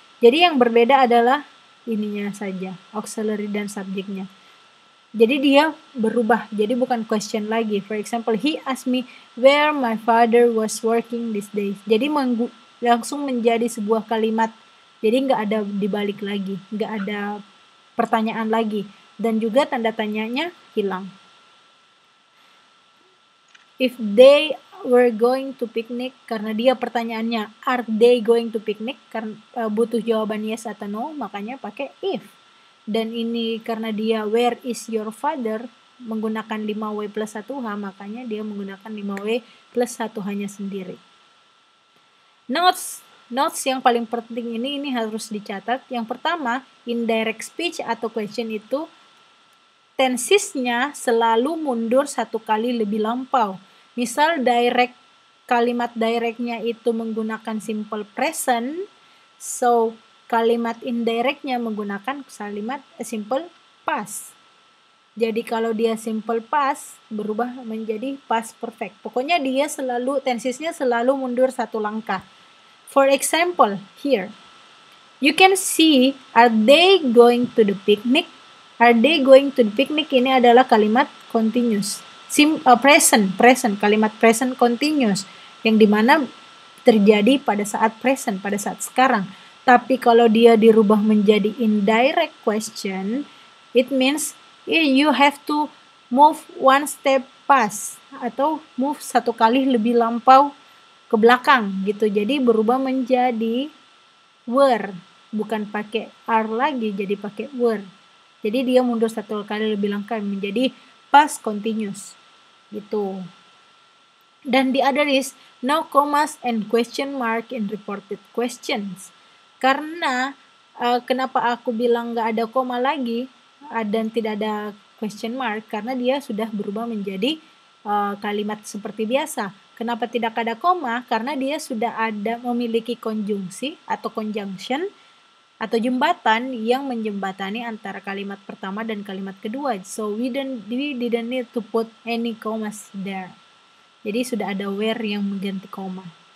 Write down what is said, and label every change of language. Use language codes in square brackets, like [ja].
[id] Jadi yang berbeda adalah ininya saja, auxiliary dan subjectnya. Jadi dia berubah, jadi bukan question lagi. [en] For example, he asked me where my father was working this day. [id] Jadi langsung menjadi sebuah kalimat. Jadi nggak ada dibalik lagi, nggak ada pertanyaan lagi. Dan juga tanda tanyanya hilang. [en] If they were going to picnic, [id] karena dia pertanyaannya, [en] are they going to picnic? [id] Karena butuh jawaban yes atau no, makanya pakai if. Dan ini karena dia where is your father, menggunakan 5W plus 1H, makanya dia menggunakan 5W plus 1H-nya sendiri. Notes. Notes yang paling penting ini harus dicatat. Yang pertama, indirect speech atau question itu, tensisnya selalu mundur satu kali lebih lampau. Misal direct, kalimat directnya itu menggunakan simple present, so kalimat indirectnya menggunakan kalimat simple past. Jadi kalau dia simple past, berubah menjadi past perfect. Pokoknya dia selalu, tensisnya selalu mundur satu langkah. [en] For example, here, you can see, are they going to the picnic? Are they going to the picnic? [id] Ini adalah kalimat continuous. Present, kalimat present continuous yang dimana terjadi pada saat present, pada saat sekarang. Tapi kalau dia dirubah menjadi indirect question, [en] it means you have to move one step past [id] atau move satu kali lebih lampau ke belakang gitu. Jadi berubah menjadi were, bukan pakai are lagi, jadi pakai were. Jadi dia mundur satu kali lebih langkah menjadi past continuous. Gitu. [en] Dan the other is no commas and question mark in reported questions. [id] Karena kenapa aku bilang gak ada koma lagi dan tidak ada question mark? Karena dia sudah berubah menjadi kalimat seperti biasa. Kenapa tidak ada koma? Karena dia sudah ada memiliki konjungsi atau conjunction atau jembatan yang menjembatani antara kalimat pertama dan kalimat kedua. [en] So we didn't need to put any commas there. [id] Jadi sudah ada where yang mengganti koma.